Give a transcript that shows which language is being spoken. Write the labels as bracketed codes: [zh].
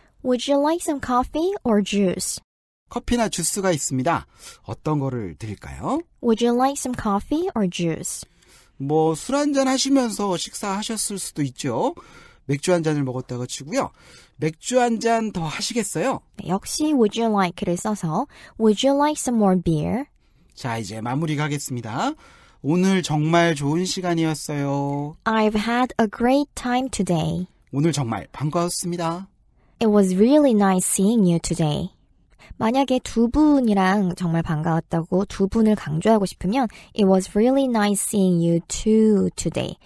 [en] Would you like some coffee or juice? [ko] 커피나 주스가 있습니다. 어떤 거를 드릴까요? [en] Would you like some coffee or juice? [ko] 뭐 술 한잔 하시면서 식사하셨을 수도 있죠. 맥주 한 잔을 먹었다고 치고요. 맥주 한 잔 더 하시겠어요? 네, 역시 [en] would you like를 써서 would you like some more beer? [ko] 자, 이제 마무리 가겠습니다. 오늘 정말 좋은 시간이었어요. [en] I've had a great time today. [ko] 오늘 정말 반가웠습니다. [en] It was really nice seeing you today. [ko] 만약에 두 분이랑 정말 반가웠다고 두 분을 강조하고 싶으면 [en] It was really nice seeing you two today.